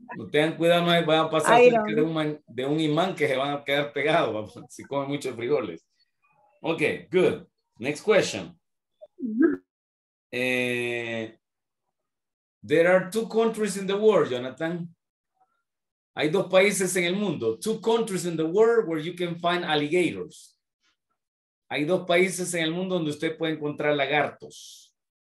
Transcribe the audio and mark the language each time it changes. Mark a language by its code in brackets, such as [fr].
[es] Tengan cuidado, no van a pasar cerca de un imán que se van a quedar pegados si comen muchos frijoles. [en] Ok, good. Next question. There are two countries in the world, Jonathan. [es] Hay dos países en el mundo. [en] Two countries in the world where you can find alligators. [es] Hay dos países en el mundo donde usted puede encontrar lagartos.